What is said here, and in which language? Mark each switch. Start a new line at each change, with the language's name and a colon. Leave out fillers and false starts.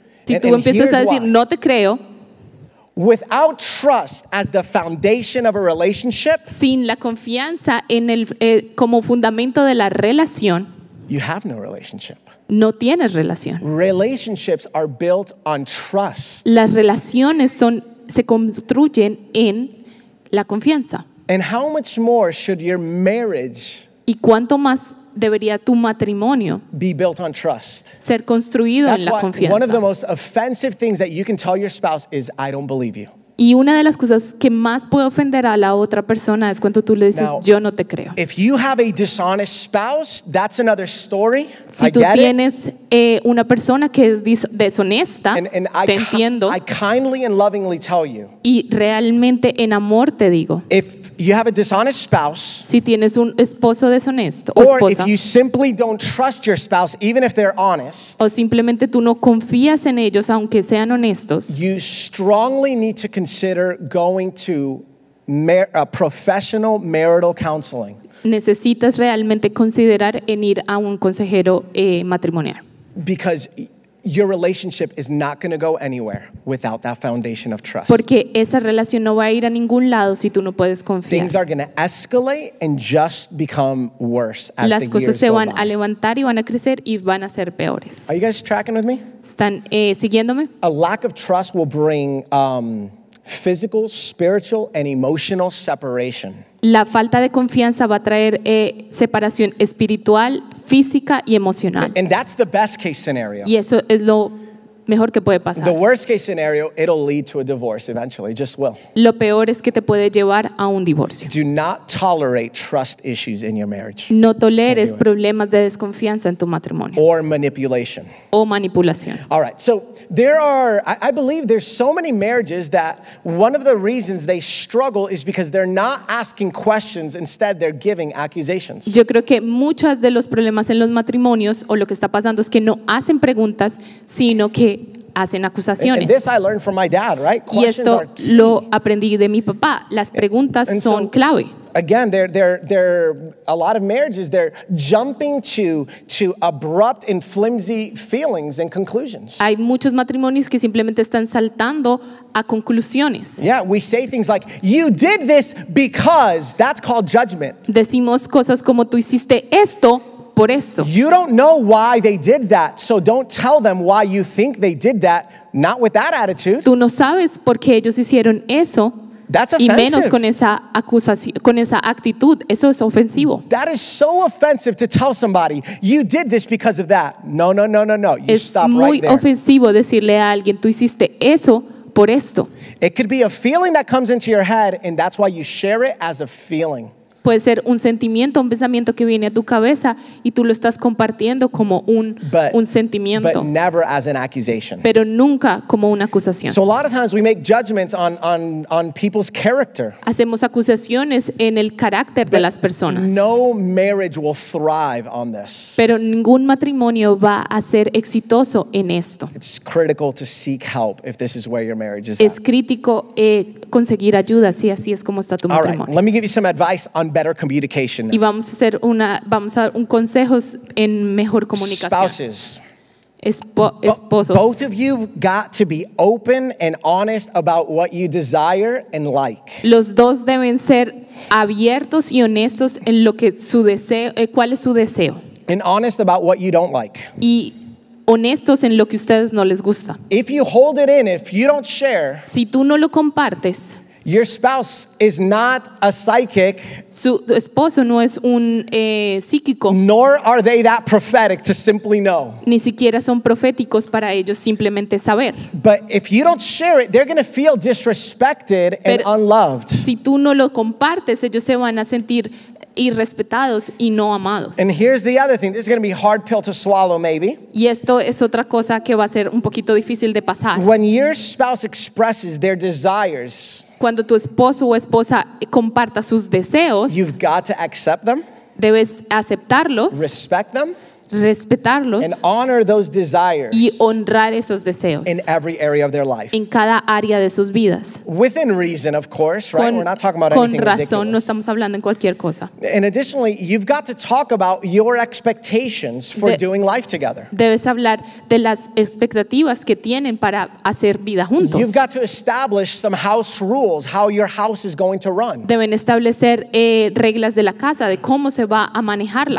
Spanish: Si tú empiezas a decir, no te creo.
English: Without trust as the foundation of a relationship,
Spanish: sin la confianza en el como fundamento de la relación,
English: you have no relationship.
Spanish: No tienes relación.
English: Relationships are built on trust.
Spanish: Las relaciones se construyen en la confianza.
English: And how much more should your marriage?
Spanish: ¿Y cuánto más debería tu matrimonio
English: be built on trust?
Spanish: Ser construido
English: That's
Spanish: en la
English: why,
Spanish: confianza.
English: One of the most offensive things that you can tell your spouse is I don't believe you.
Spanish: Y una de las cosas que más puede ofender a la otra persona es cuando tú le dices,
English: Now,
Spanish: yo no te creo.
English: If you have a dishonest spouse, that's another story.
Spanish: Si
English: I
Spanish: tú
English: get
Spanish: tienes
English: it.
Spanish: Una persona que es deshonesta,
English: and
Spanish: te entiendo.
English: I kindly and lovingly tell you,
Spanish: y realmente en amor te digo,
English: if you have a dishonest spouse,
Spanish: si tienes un esposo deshonesto,
English: or
Spanish: o esposa,
English: if you simply don't trust your spouse, even if they're honest,
Spanish: o simplemente tú no confías en ellos, aunque sean honestos,
English: you strongly need to consider going to professional marital counseling.
Spanish: Necesitas realmente considerar en ir a un consejero matrimonial.
English: Because your relationship is not going to go anywhere without that foundation of trust.
Spanish: Porque esa relación no va a ir a ningún lado si tú no puedes confiar.
English: Things are going to escalate and just become worse as
Spanish: Las
English: the years go
Spanish: Las cosas se van
English: by.
Spanish: A levantar y van a crecer y van a ser peores.
English: Are you guys tracking with me?
Spanish: ¿Están siguiéndome?
English: A lack of trust will bring physical, spiritual, and emotional separation.
Spanish: La falta de confianza va a traer separación espiritual, física y emocional.
English: And that's the best case scenario.
Spanish: Y eso es lo mejor que puede pasar.
English: The worst case scenario, it'll lead to a divorce eventually. It just will.
Spanish: Lo peor es que te puede llevar a un divorcio.
English: Do not tolerate trust issues in your marriage.
Spanish: No toleres problemas de desconfianza en tu matrimonio.
English: Or manipulation.
Spanish: O manipulación.
English: All right, so there are, I believe there's so many marriages that one of the reasons they struggle is because they're not asking questions, instead they're giving accusations.
Spanish: Yo creo que muchos de los problemas en los matrimonios o lo que está pasando es que no hacen preguntas, sino que hacen acusaciones.
English: And this I learned from my dad, right?
Spanish: Y esto lo aprendí de mi papá. Las preguntas son clave.
English: Again, there a lot of marriages, they're jumping to abrupt and flimsy feelings and conclusions.
Spanish: Hay muchos matrimonios que simplemente están saltando a conclusiones.
English: Yeah, we say things like, you did this because, that's called judgment.
Spanish: Decimos cosas como, tú hiciste esto por esto.
English: You don't know why they did that, so don't tell them why you think they did that, not with that attitude.
Spanish: Tú no sabes por qué ellos hicieron eso.
English: That's offensive.
Spanish: Y menos con esa acusación, con esa actitud, eso es ofensivo.
English: That is so offensive to tell somebody, you did this because of that. No. You
Spanish: es
English: stop right
Spanish: Es muy ofensivo decirle a alguien, tú hiciste eso por esto.
English: It could be a feeling that comes into your head and that's why you share it as a feeling.
Spanish: Puede ser un sentimiento, un pensamiento que viene a tu cabeza y tú lo estás compartiendo como un sentimiento.
English: But never as an accusation.
Spanish: Pero nunca como una acusación.
English: So a lot of times we make judgments on people's character.
Spanish: Hacemos acusaciones en el carácter de las personas.
English: No marriage will thrive on this.
Spanish: Pero ningún matrimonio va a ser exitoso en esto.
English: It's critical to seek help if this is where your marriage is.
Spanish: Es crítico conseguir ayuda si así es como está tu matrimonio.
English: All right, let me give you some advice on better communication.
Spanish: Y vamos a hacer vamos a dar un consejo en mejor comunicación.
English: Spouses.
Spanish: Esposos.
English: Both of you got to be open and honest about what you desire and like.
Spanish: Los dos deben ser abiertos y honestos en lo que su deseo, cuál es su deseo.
English: And honest about what you don't like.
Spanish: Y honestos en lo que ustedes no les gusta.
English: If you hold it in, if you don't share,
Spanish: si tú no lo compartes,
English: Your spouse is not a psychic.
Spanish: Su esposo no es un psíquico.
English: Nor are they that prophetic to simply know.
Spanish: Ni siquiera son proféticos para ellos simplemente saber.
English: But if you don't share it, they're going to feel disrespected and unloved.
Spanish: Si tú no lo compartes, ellos se van a sentir irrespetados y no amados.
English: And here's the other thing. This is going to be a hard pill to swallow, maybe.
Spanish: Y esto es otra cosa que va a ser un poquito difícil de pasar.
English: When your spouse expresses their desires,
Spanish: cuando tu esposo o esposa comparta sus deseos,
English: you've got to accept them,
Spanish: debes aceptarlos,
English: respect them,
Spanish: respetarlos,
English: and honor those desires,
Spanish: y honrar esos deseos,
English: in every area of their life,
Spanish: en cada área de sus vidas,
English: within reason, of course, right?
Spanish: Con,
English: we're not talking about anything
Spanish: con razón,
English: ridiculous.
Spanish: No estamos hablando en cualquier cosa.
English: And additionally, you've got to talk about your expectations for doing life together.
Spanish: Debes hablar de las expectativas que tienen para hacer vida juntos.
English: You've got to establish some house rules, how your house is going to run.
Spanish: Deben establecer reglas de la casa, de cómo se va a manejar la